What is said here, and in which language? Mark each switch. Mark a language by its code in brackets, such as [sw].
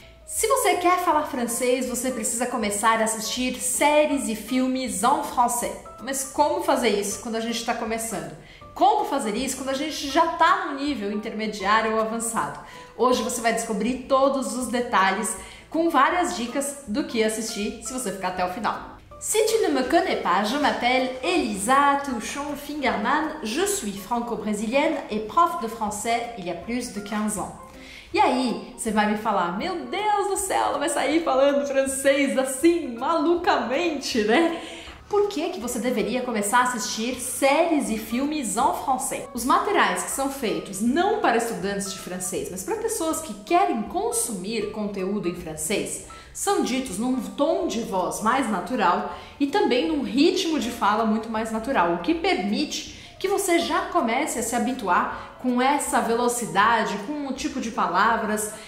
[pt] Se você quer falar francês, você precisa começar a assistir séries e filmes [fr] en français. [pt] Mas como fazer isso quando a gente está começando? Como fazer isso quando a gente já está no nível intermediário ou avançado? Hoje você vai descobrir todos os detalhes com várias dicas do que assistir se você ficar até o final. [fr] Si tu ne me connais pas, je m'appelle Elisa Touchon-Fingerman, je suis franco-brésilienne et prof de français il y a plus de 15 ans. [pt] E aí, você vai me falar, meu Deus do céu, ela vai sair falando francês assim, malucamente, né? Por que que você deveria começar a assistir séries e filmes [fr] en français? [pt] Os materiais que são feitos não para estudantes de francês, mas para pessoas que querem consumir conteúdo em francês, são ditos num tom de voz mais natural e também num ritmo de fala muito mais natural, o que permite que você já comece a se habituar com essa velocidade, com o tipo de palavras